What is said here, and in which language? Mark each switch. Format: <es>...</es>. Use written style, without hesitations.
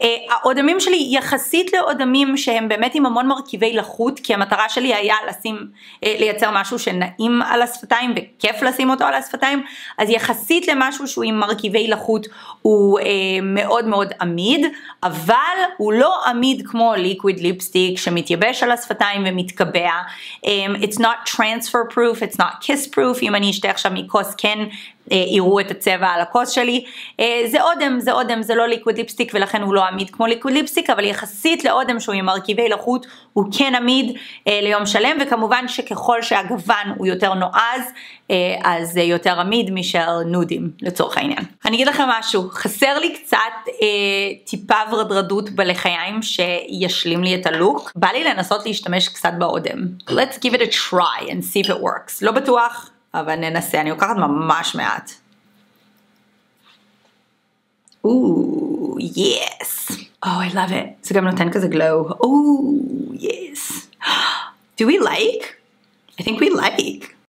<he>האודמים שלי יחסית לאודמים שהם באמת עם המון מרכיבי לחות, כי המטרה שלי היה לשים, לייצר משהו שנעים על השפתיים וכיף לשים אותו על השפתיים, אז יחסית למשהו שהוא עם מרכיבי לחות הוא מאוד מאוד עמיד, אבל הוא לא עמיד כמו ליקוויד ליפסטיק שמתייבש על השפתיים מתקבע.</he> <en>It's not transfer proof, it's not kiss proof.</en> <he>אם אני אשתה עכשיו מכוס, כן, יראו את הצבע על הכוס שלי. זה אודם, זה אודם, זה לא ליקוד ליפסטיק, ולכן הוא לא עמיד כמו ליקוד ליפסטיק, אבל יחסית לאודם שהוא עם מרכיבי לחות, הוא כן עמיד ליום שלם, וכמובן שככל שהגוון הוא יותר נועז, אז יותר עמיד משל נודים, לצורך העניין. אני אגיד לכם משהו, חסר לי קצת טיפה ורדרדות בלחיים שישלים לי את הלוק. בא לי לנסות להשתמש קצת באודם.</he> <en>Let's give it a try and see if it works.</en> <he>לא בטוח, אבל ננסה, אני לוקחת ממש מעט.</he> <en>Yes. Oh, I love it.</en> <he>זה גם נותן כזה</he> <en>glow. Yes. Do we like? I think we like.</en>